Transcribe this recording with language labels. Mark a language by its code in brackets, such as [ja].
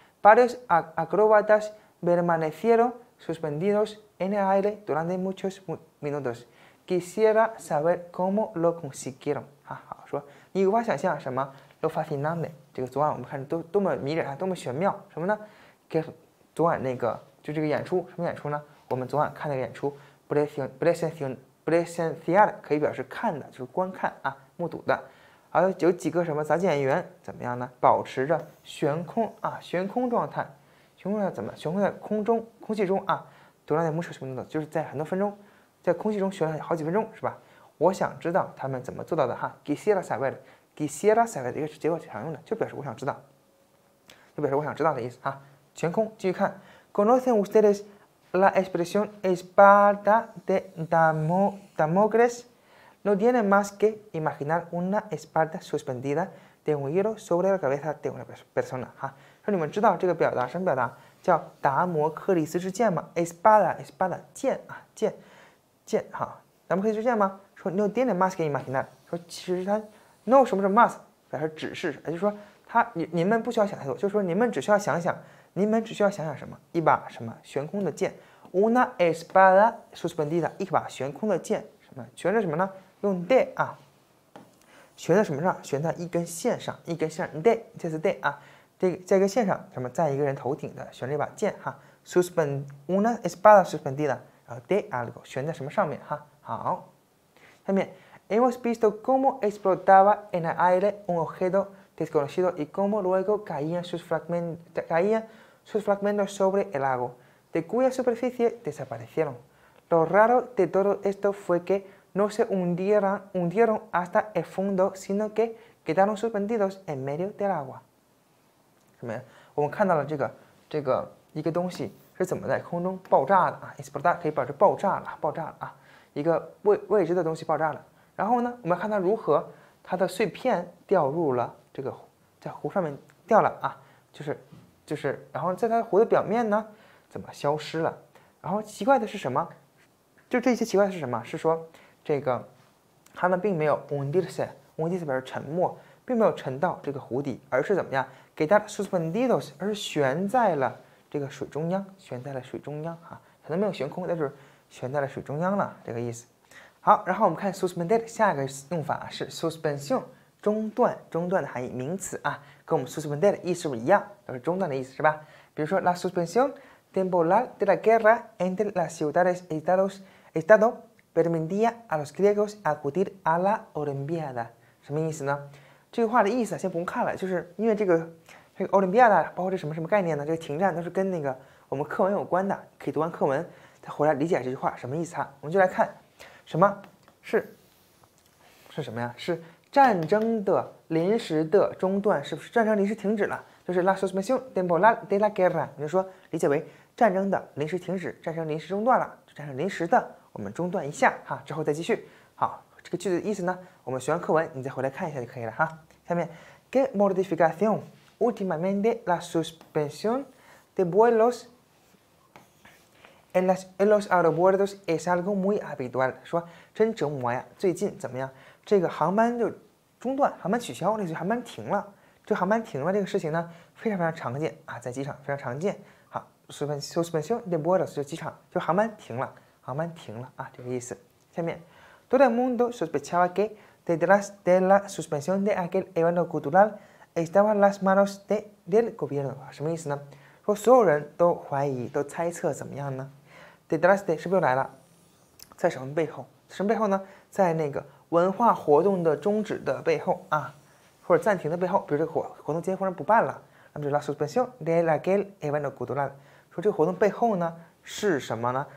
[es] Varios acróbatas permanecieron suspendidos en el aire durante muchos minutos. Quisiera saber cómo lo consiguieron. [zh] 哈、啊，好说，你无法想象什么 ？ [es] Lo fascinante， [zh] 这个昨晚我们看多么迷人啊，多么玄妙，什么呢？给昨晚那个就这个演出，什么演出呢？我们昨晚看那个演出 ，presenciar 可以表示看的，就是观看啊，目睹的。还有有几个什么杂技演员怎么样呢？保持着悬空啊，悬空状态，悬空状态怎么？悬空在空中，空气中啊，多长的时间呢？就是在很多分钟，在空气中悬了好几分钟，是吧？我想知道他们怎么做到的哈。 [es] Quisiera saber， [zh] quisiera saber 这个是结果常用的，就表示我想知道，就表示我想知道的意思啊。悬空，继续看。 [es] ¿Conocen ustedes la expresión espada de Damocles？ No tiene más que imaginar una espada suspendida de un hilo sobre la cabeza de una persona. [zh] 哈，说你们知道这个表达什么表达？叫达摩克里斯之剑吗 ？Espada， 剑啊，剑哈，达摩克里斯之剑吗？ [es] 说 no tiene más que imaginar。 [zh] 说其实他 no 什么什么 más 表示只是，也就是说他你们不需要想太多，就是说你们只需要想想什么？一把什么悬空的剑 ？ [es] Una espada suspendida， [zh] 一把悬空的剑。悬在什么呢？用 de 啊，悬在什么上？悬在一根线上，一根线 de， 这是 de 啊，这个在一个线上，什么在一个人头顶的悬着一把剑哈 ， [es] suspend una espada suspendida， [zh] 然后 [es] de algo [zh] 悬在什么上面哈？好，下面 [es] hemos visto cómo explotaba en el aire un objeto desconocido y cómo luego caían sus fragmentos sobre el lago de cuya superficie desaparecieron。 Lo raro de todo esto fue que no se hundieron hasta el fondo, sino que quedaron suspendidos en medio del agua. [zh] 什么呀？我们看到了这个一个东西是怎么在空中爆炸的啊 ？Explodar 可以表示爆炸了啊，一个未知的东西爆炸了。然后呢，我们看它如何它的碎片掉入了这个在湖上面掉了啊，就是，然后在它湖的表面呢怎么消失了？然后奇怪的是什么？就这些奇怪是什么？是说这个他们并没有 undirse 表示沉没，并没有沉到这个湖底，而是怎么样？给它 suspendidos， 而是悬在了这个水中央，悬在了水中央啊，可能没有悬空，但是悬在了水中央了，这个意思。好，然后我们看 suspended 下一个用法是 suspension， 中断的含义，名词啊，跟我们 suspended 意思是不是一样？都是中断的意思，是吧？比如说 [es] la suspensióntemporal de la guerra entre las ciudades y estado permitía a los griegos acudir a la Olimpiada. [zh] 什么意思呢？这个话的意思先不用看了，就是因为这个 Olimpiada 包括这什么什么概念呢？这个停战都是跟那个我们课文有关的，可以读完课文再回来理解这句话什么意思哈。我们就来看什么是是什么呀？是战争的临时的中断，是不是战争临时停止了？就是 [es] la suspensión temporal de la guerra， [zh] 你就说理解为战争的临时停止，战争临时中断了，战争临时的我们中断一下哈，之后再继续。好，这个句子的意思呢，我们学完课文你再回来看一下就可以了哈。 [es] 下面 qué modificación últimamente la suspensión de vuelos en los aeropuertos es algo muy habitual， [zh] 说真折磨呀，最近怎么样？这个航班就中断，航班取消，类似于航班停了。这航班停了这个事情呢，非常非常常见啊，在机场非常常见。好， [es] suspensión de vuelos [zh] 就机场就航班停了，航班停了啊，这个意思。下面， [es] todo el mundo sospechaba que detrás de la suspensión de aquel evento cultural estaban las manos del gobierno， [zh] 什么意思呢？说所有人都怀疑，都猜测怎么样呢？ [es] detrás de [zh] 是不是又来了？在什么背后？什么背后呢？在那个文化活动的终止的背后啊。或者暂停的背后，比如这个活动今天忽然不办了，那么就 [es] la suspensión de aquel evento cultural， [zh] 说这个活动背后呢是什么呢？